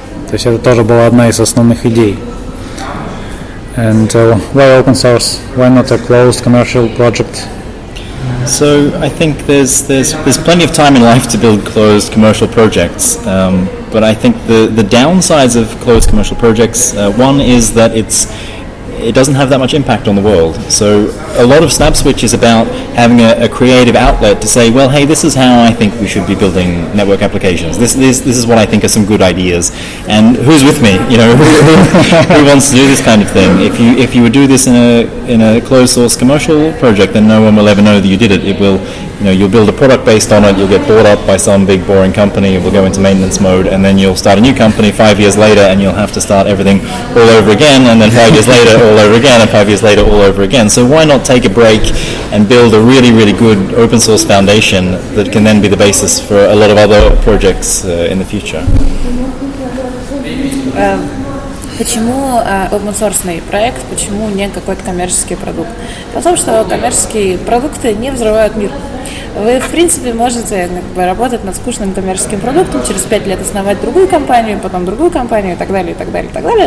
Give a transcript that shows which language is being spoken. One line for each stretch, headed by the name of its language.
Russian: То есть это тоже была одна из основных идей.
English: And why open source? Why not a closed commercial project? So I think there's plenty of time in life to build closed commercial projects. But I think the downsides of closed commercial projects, one is that it doesn't have that much impact on the world. So a lot of SnapSwitch is about having a creative outlet to say, well, hey, this is how I think we should be building network applications. This is what I think are some good ideas. And who's with me? You know, who wants to do this kind of thing? If you would do this in a closed source commercial project, then no one will ever know that you did it. It will, you know, you'll build a product based on it, you'll get bought up by some big boring company, it will go into maintenance mode, and then you'll start a new company 5 years later and you'll have to start everything all over again, and then 5 years later all over again, and 5 years later all over again. So why not take a break and build a really, really good open source foundation that can then be the basis for a lot of other projects in the future?
Russian: Почему open-source проект, почему не какой-то коммерческий продукт? Потому что коммерческие продукты не взрывают мир. Вы, в принципе, можете работать над скучным коммерческим продуктом, через 5 лет основать другую компанию, потом другую компанию и так далее, и так далее, и так далее.